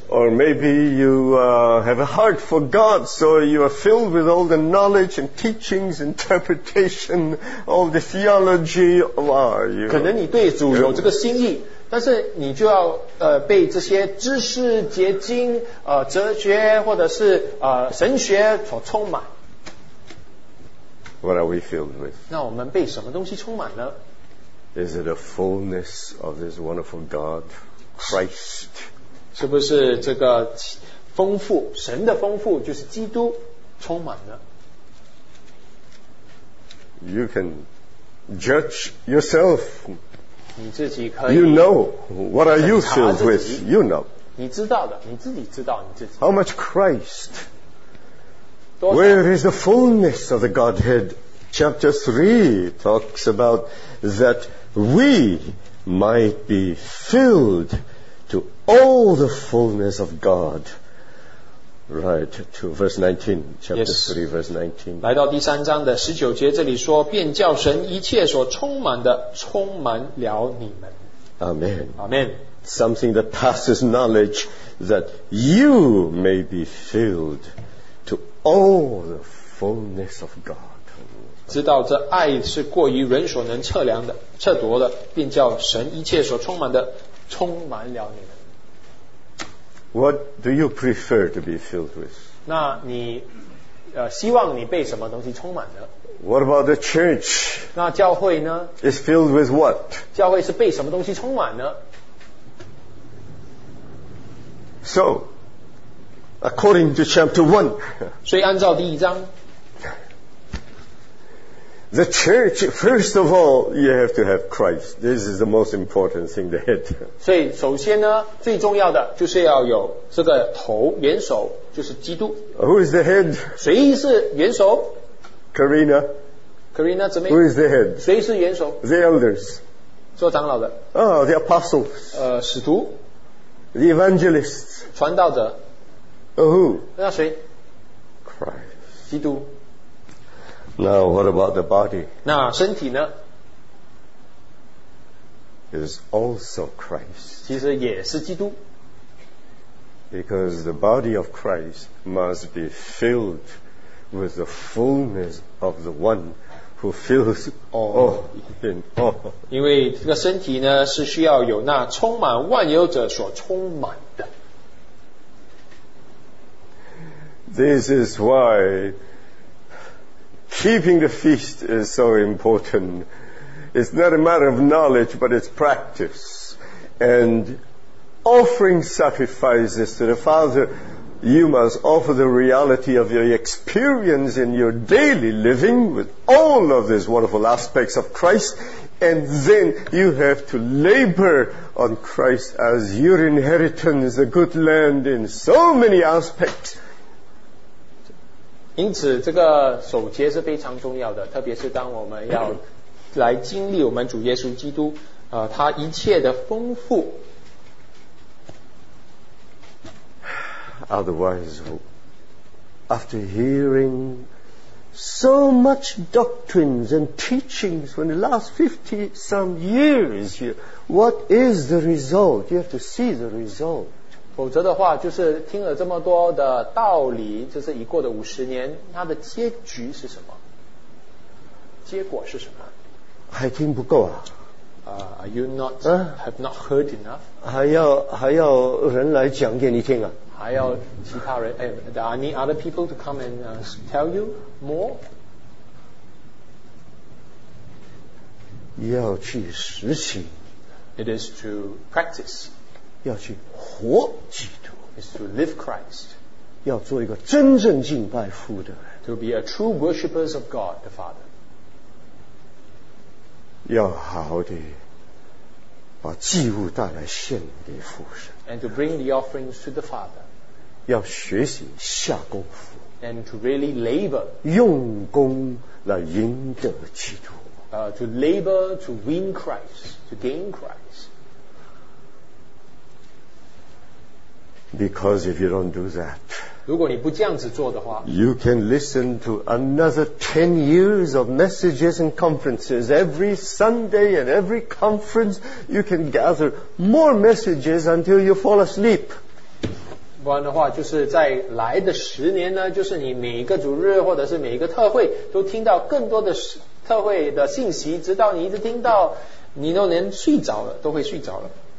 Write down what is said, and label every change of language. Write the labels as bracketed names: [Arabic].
[English] Or maybe you have a heart for God, so you are filled with all the knowledge and teachings, interpretation, all the theology of our, you know. [Chinese] 可能你对主有这个心意，但是你就要被这些知识结晶、哲学或者是神学所充满。 [English] What are we filled with? [Chinese] 那我们被什么东西充满呢? [English] Is it a fullness of this wonderful God? Christ. [Chinese] 是不是这个丰富，神的丰富就是基督充满了。 [English] You can judge yourself. [Chinese] 你自己可以。 [English] You know what are you filled with? You know. [Chinese] 你知道的，你自己知道你自己。 [English] How much Christ? Where is the fullness of the Godhead? Chapter 3 talks about that we might be filled to all the fullness of God. Right, to verse 19, chapter、 yes. 3, verse 19. [Chinese] 来到第三章的十九节，这里说，便叫神一切所充满的，充满了你们。 Amen. Amen. [English] Something that passes knowledge, that you may be filled to all the fullness of God. [Chinese] 知道这爱是过于人所能测量的、测度的，便叫神一切所充满的，充满了你们。 [English] What do you prefer to be filled with? [Chinese] 那你、希望你被什么东西充满的？ [English] What about the church? [Chinese] 那教会呢？ [English] Is filled with what? [Chinese] 教会是被什么东西充满的？ [English] So, according to chapter 1, [Chinese] 所以按照第一章， [English] the church, first of all, you have to have Christ. This is the most important thing to hit. [Chinese] 所以首先呢，最重要的就是要有这个头，元首，就是基督。 [English] Who is the head? [Chinese] 谁是元首？ [English] Karina. [Chinese] Karina 姊妹。 [English] Who is the head? [Chinese] 谁是元首？ [English] The elders. [Chinese] 做长老的。 [English] Oh, the apostles. [Chinese] 使徒。 [English] The evangelists. [Chinese] 传道者。 [English] Who? [Chinese] 那谁？ [English] Christ. [Chinese] 基督。 [English] Now, what about the body? [Chinese] 那身体呢？ [English] Is also Christ. [Chinese] 其实也是基督。 [English] Because the body of Christ must be filled with the fullness of the one who fills all in all. [Chinese] 因为这个身体呢，是需要有那充满万有者所充满的。 [English] This is why... Keeping the feast is so important. It's not a matter of knowledge, but it's practice. And offering sacrifices to the Father, you must offer the reality of your experience in your daily living with all of these wonderful aspects of Christ. And then you have to labor on Christ as your inheritance, the good land in so many aspects. [Chinese] 因此这个守节是非常重要的，特别是当我们要来经历我们主耶稣基督、他一切的丰富。 [English] Otherwise, after hearing so much doctrines and teachings for the last 50 some years, what is the result? You have to see the result. [Chinese] 否则的话，就是听了这么多的道理，就是已过的五十年，它的结局是什么？结果是什么？还听不够啊？ [English] Are you not、啊、have not heard enough? [Chinese] 还要人来讲给你听啊？还要其他人？ [English] 哎、，Are any other people to come and、tell you more? [Chinese] 要去实行。 [English] It is to practice. [Chinese] 要去活基督 [English] is to live Christ [Chinese] 要做一个真正敬拜父的 [English] to be a true worshippers of God the Father [Chinese] 要好的把祭物带来献给父神 [English] and to bring the offerings to the Father [Chinese] 要学习下功夫 [English] and to really labor [Chinese] 用功来赢得基督 [English] to labor to win Christ to gain Christ. Because if you don't do that, [Chinese] 如果你不这样子做的话, [English] you can listen to another 10 years of messages and conferences every Sunday and every conference. You can gather more messages until you fall asleep. [Chinese] 不然的话，就是在来的十年呢，就是你每一个主日或者是每一个特会都听到更多的特会的信息，直到你一直听到你都能睡着了，都会睡着了。